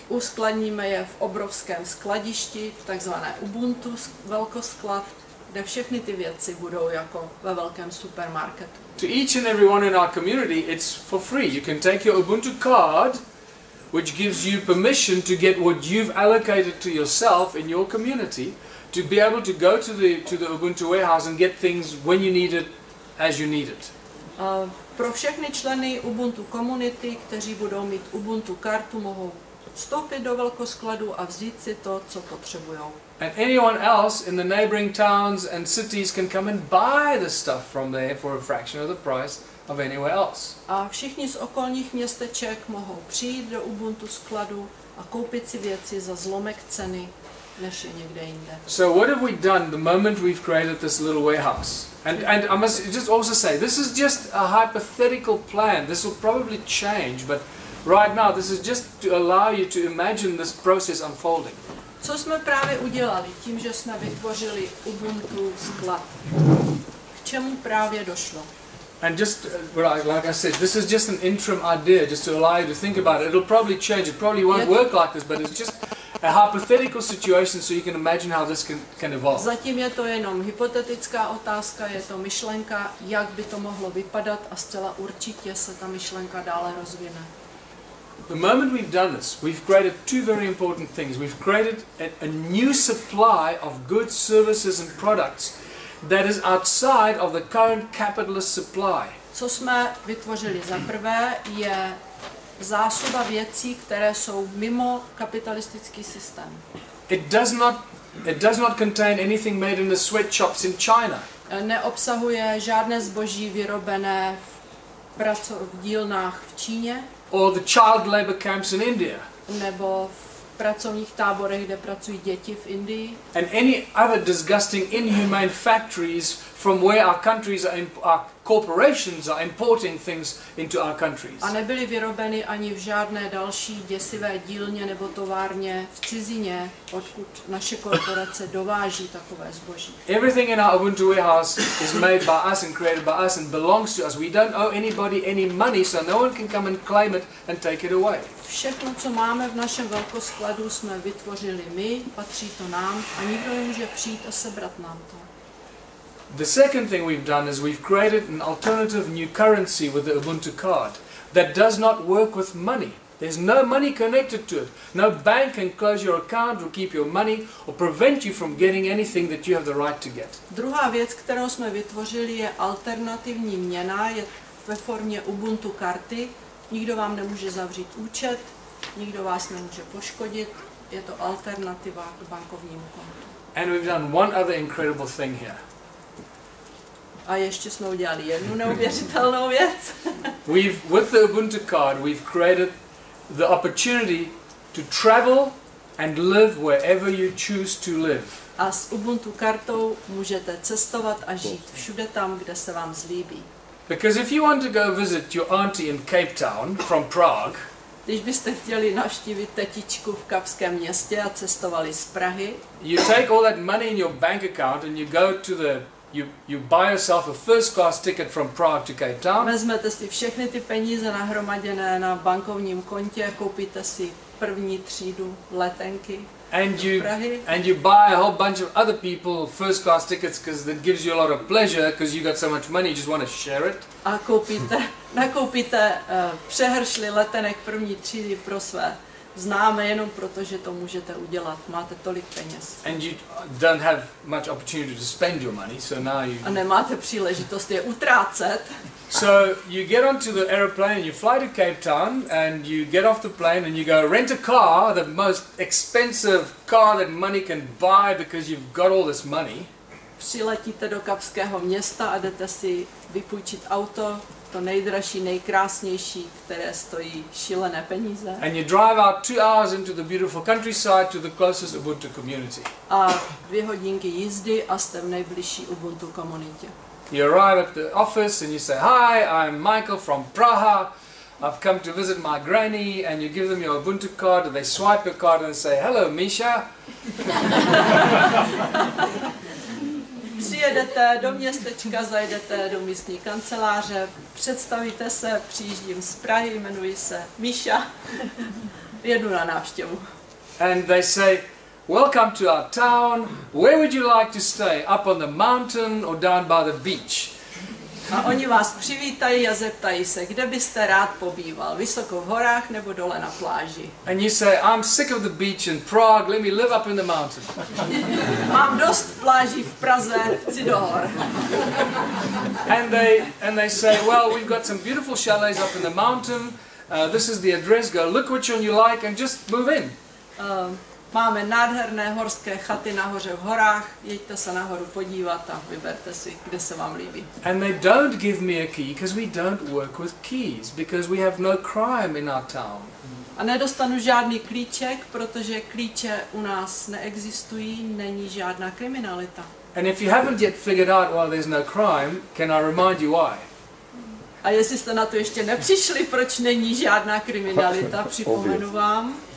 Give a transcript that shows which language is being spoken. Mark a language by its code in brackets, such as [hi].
[cs] Uskladníme je v obrovském skladišti, takzvané Ubuntu velkosklad, kde všechny ty věci budou jako ve velkém supermarketu. [en] To each and everyone in our community, it's for free. You can take your Ubuntu card, which gives you permission to get what you've allocated to yourself in your community, to be able to go to the Ubuntu warehouse and get things when you need it. As you need it. [cs] Pro všechny členy Ubuntu komunity, kteří budou mít Ubuntu kartu, mohou vstoupit do velkoskladu a vzít si to, co potřebujou. [en] And anyone else in the neighboring towns and cities can come and buy the stuff from there for a fraction of the price of anywhere else. [cs] A všichni z okolních městeček mohou přijít do Ubuntu skladu a koupit si věci za zlomek ceny, než je někde jinde. [en] So what have we done the moment we've created this little warehouse? And I must just also say, this is just a hypothetical plan. This will probably change, but right now this is just to allow you to imagine this process unfolding. [cs] Co jsme právě udělali tím, že jsme vytvořili Ubuntu sklad? K čemu právě došlo? [en] And just like I said, this is just an interim idea, just to allow you to think about it. It'll probably change. It probably won't work like this, but it's just a hypothetical situation, so you can imagine how this can evolve. [cs] Zatím je to jenom hypotetická otázka, je to myšlenka, jak by to mohlo vypadat, a zcela určitě se ta myšlenka dále rozvine. [en] The moment we've done this, we've created two very important things. We've created a new supply of goods, services and products that is outside of the current capitalist supply. [cs] Co jsme vytvořili za prvé, je zásoba věcí, které jsou mimo kapitalistický systém. [en] It does not contain anything made in the sweatshops in China. [cs] Neobsahuje žádné zboží vyrobené v dílnách v Číně. [en] Or the child labor camps in India. [cs] Nebo v pracovních táborech, kde pracují děti v Indii. [en] And any other disgusting inhumane factories from where our countries are corporations are importing things into our countries. [cs] A nebyly vyrobeny ani v žádné další děsivé dílně nebo továrně v cizině, odkud naše korporace dováží takové zboží. [en] Everything in our Ubuntu warehouse is made by us and created by us and belongs to us. We don't owe anybody any money, so no one can come and claim it and take it away. [cs] Všechno, co máme v našem velkoskladu, jsme vytvořili my, patří to nám a nikdo nemůže přijít a sebrat nám to. [en] The second thing we've done is we've created an alternative new currency with the Ubuntu card that does not work with money. There's no money connected to it. No bank can close your account or keep your money or prevent you from getting anything that you have the right to get. [cs] Druhá věc, kterou jsme vytvořili, je alternativní měna, je ve formě Ubuntu karty. Nikdo vám nemůže zavřít účet, nikdo vás nemůže poškodit. Je to alternativa k bankovnímu kontu. [en] And we've done one other incredible thing here. [cs] A ještě jsme udělali jednu neuvěřitelnou věc. [en] We've with the Ubuntu card, we've created the opportunity to travel and live wherever you choose to live. [cs] A s Ubuntu kartou můžete cestovat a žít všude tam, kde se vám zlíbí. [en] Because if you want to go visit your auntie in Cape Town from Prague, [cs] když byste chtěli navštívit tetičku v Kapském městě a cestovali z Prahy, [en] you take all that money in your bank account and you go to the you buy yourself a first class ticket from Prague to Cape Town. [cs] Vezmete si všechny ty peníze nahromaděné na bankovním kontě, koupíte si první třídu letenky. [en] And you buy a whole bunch of other people first class tickets because that gives you a lot of pleasure because you got so much money, you just want to share it. [cs] A nakoupíte přehršli letenek první třídy pro své známe jenom proto, že to můžete udělat. Máte tolik peněz. [en] And you don't have much opportunity to spend your money, so now you. [cs] A nemáte příležitost je utrácet. [en] So you get onto the aeroplane, you fly to Cape Town, and you get off the plane, and you go rent a car, the most expensive car that money can buy, because you've got all this money. [cs] Přiletíte do Kapského města a jdete si vypůjčit auto. To nejdražší, nejkrásnější, které stojí šílené peníze. [en] And you drive out 2 hours into the beautiful countryside to the closest Ubuntu community. [cs] A 2 hodinky jízdy a jste v nejbližší Ubuntu komunitě. [en] You arrive at the office and you say, "Hi, I'm Michael from Praha. I've come to visit my granny," and you give them your Ubuntu card and they swipe your card and say, "Hello, Misha." [cs] Přijedete do městečka, zajdete do místní kanceláře, představíte se, přijíždím z Prahy, jmenuji se Míša, jedu na návštěvu. [en] And they say, "Welcome to our town, where would you like to stay, up on the mountain or down by the beach?" [cs] A oni vás přivítají a zeptají se, kde byste rád pobýval, vysoko v horách nebo dole na pláži. [en] And you say, "I'm sick of the beach in Prague, let me live up in the mountain." [cs] Mám dost pláží v Praze, chci do hor. [en] And they say, "Well, we've got some beautiful chalets up in the mountain, this is the address, go look which one you like and just move in." [cs] Máme nádherné horské chaty nahoře v horách, jeďte se nahoru podívat a vyberte si, kde se vám líbí. [en] And they don't give me a key because we don't work with keys, because we have no crime in our town. [cs] A nedostanu žádný klíček, protože klíče u nás neexistují, není žádná kriminalita. [en] And if you haven't yet figured out why there's no crime, can I remind you why? [cs] A jestli jste na to ještě nepřišli, proč není žádná kriminalita, připomenu vám.